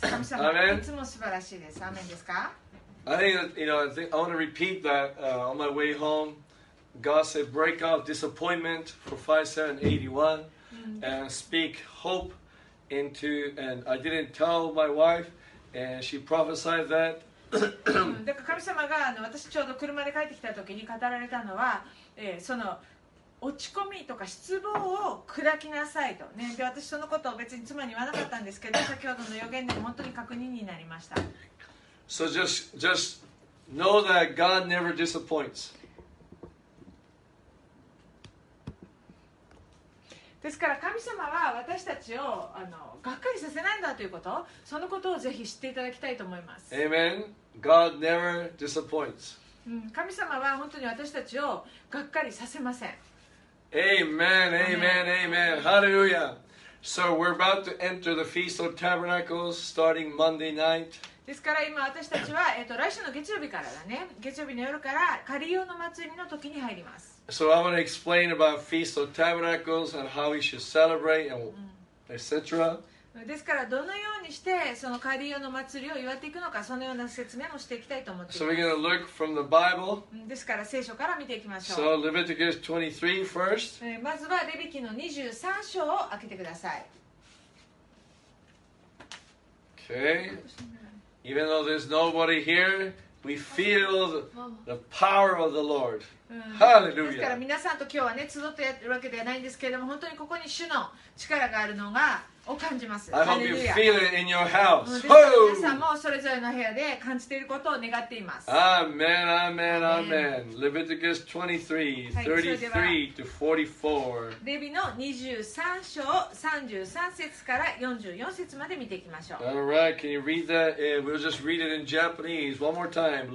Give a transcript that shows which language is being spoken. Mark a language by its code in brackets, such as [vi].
[ja] 神様いつも素晴らしいです。アーメンですか? [en] I think, you know, I want to repeat that on my way home. God said, break out disappointment for 5781 and speak hope into, and I didn't tell my wife and she prophesied that. [ja] だから神様があの私ちょうど車で帰ってきた時に語られたのは、その落ち込みとか失望を砕きなさいと、ね、で私そのことを別に妻に言わなかったんですけど先ほどの予言でも本当に確認になりました。 [en] So just know that God never disappoints. [ja] ですから神様は私たちをあのがっかりさせないんだということ、そのことをぜひ知っていただきたいと思います。 [en] Amen. God never disappoints. [ja] 神様は本当に私たちをがっかりさせません。 [en] Amen, amen, amen. Hallelujah. So we're about to enter the Feast of Tabernacles starting Monday night. [ja] ですから今私たちは来週の月曜日からだね。月曜日の夜から仮用の祭りの時に入ります。 [en] So I'm going to explain about Feast of Tabernacles and how we should celebrate and etc. [ja] ですからどのようにしてその仮用の祭りを祝っていくのか、そのような説明もしていきたいと思っています。 [en] So we're going to look from the Bible. [ja] ですから聖書から見ていきましょう。 [en] So Leviticus 23 first. [ja] まずはレビ記の23章を開けてください。 [en] Okay. Even though there's nobody here, we feel the power of the Lord. Hallelujah. [ja] ですから皆さんと今日はね、集ってやるわけではないんですけれども、本当にここに主の力があるのが、 [en] I hope you feel it in your house. [ja] 皆さんもそれぞれの部屋で感じていることを願っています。 [en] Amen, amen, amen. Leviticus 23:33-44. [ja] レビの23章33節から44節まで見ていきましょう。 [en] All right, can you read that? We'll just read it in Japanese one more time.